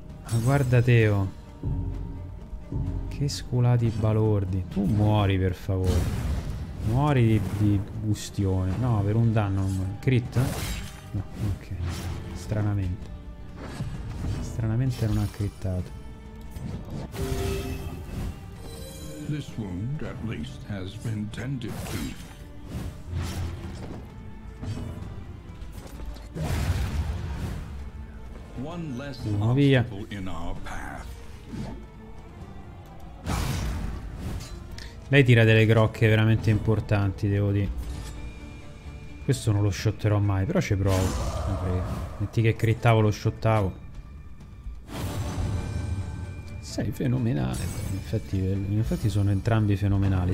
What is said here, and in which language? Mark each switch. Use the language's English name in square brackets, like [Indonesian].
[Italian] Ma guarda Teo. Che sculati balordi. Tu muori per favore. Muori di ustione. No, per un danno non muori. Crit? No, ok. Stranamente. Stranamente non ha crittato. [English] This wound at least has been tended to. One less obstacle in our path. [Italian] Lei tira delle grocche veramente importanti, devo dire. Questo non lo shotterò mai, però ci provo. Metti che crittavo, lo shottavo. Sei fenomenale. In effetti sono entrambi fenomenali.